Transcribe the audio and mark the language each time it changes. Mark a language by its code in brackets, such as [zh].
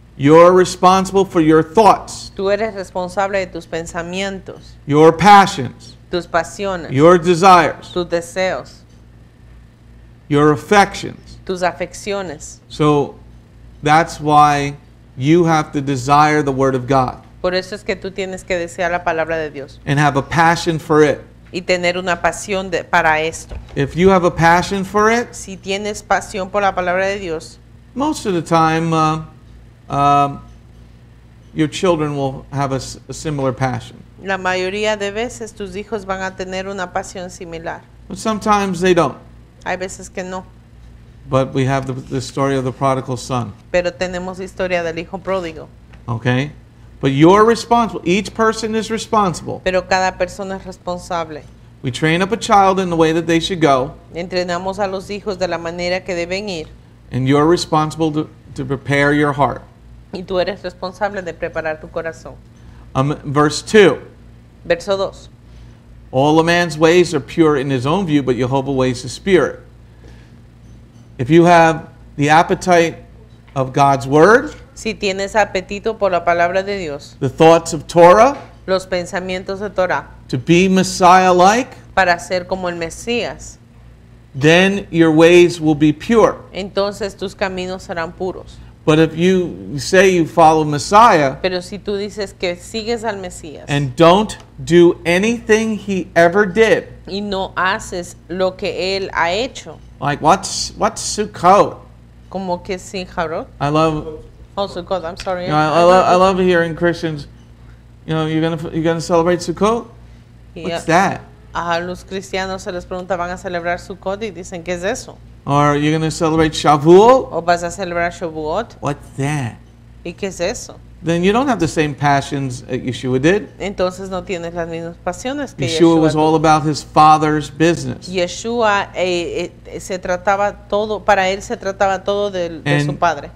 [en] You're responsible for your thoughts. [es] Tú eres responsable de tus pensamientos. [en] Your passions. [es] Tus pasiones. [en] Your desires. [es] Tus deseos. [en] Your affections. [es] Tus afecciones. [en] So that's why you have to desire the word of God. [es] Por eso es que tú tienes que desear la palabra de Dios. [en] And have a passion for it. [es] Y tener una pasión de, para esto. [en] If you have a passion for it, [es] si tienes pasión por la palabra de Dios, [en] most of the time, your children will have a similar passion. [es] La mayoría de veces tus hijos van a tener una pasión similar. [en] But sometimes they don't. [es] Hay veces que no. [en] But we have the story of the prodigal son. [es] Pero tenemos historia del hijo pródigo. [en] Okay. But you're responsible. Each person is responsible. [es] Pero cada persona es responsable. [en] We train up a child in the way that they should go. [es] Entrenamos a los hijos de la manera que deben ir. [en] And you're responsible to prepare your heart. [es] Y tú eres responsable de preparar tu corazón. [en] Verse 2. [es] Verso 2. [en] All a man's ways are pure in his own view, but Jehovah weighs the spirit. If you have the appetite of God's word, [es] si tienes apetito por la palabra de Dios, [en] the thoughts of Torah, [es] los pensamientos de Torah, [en] to be Messiah-like, [es] para ser como el Mesías, [en] then your ways will be pure. [es] Entonces tus caminos serán puros. [en] But if you say you follow Messiah, [es] pero si tú dices que sigues al Mesías, [en] and don't do anything he ever did, [es] y no haces lo que él ha hecho, [en] like what's Sukkot? [es] Como que sin Jarot? [en] I love. Oh, Sukkot. I'm sorry. You know, I love hearing Christians. You know, you're gonna celebrate Sukkot. What's that? [es] A los cristianos se les pregunta, ¿van a celebrar Sukkot? Y dicen, ¿qué es eso? [en] Or you're going to celebrate Shavuot? [es] ¿O vas a celebrar Shavuot? [en] What's that? [es] ¿Y qué es eso? [en] Then you don't have the same passions that Yeshua did. [es] Entonces no tienes las mismas pasiones que [en] Yeshua was all about his father's business. [es] Yeshua se trataba todo, para él se trataba todo de su padre.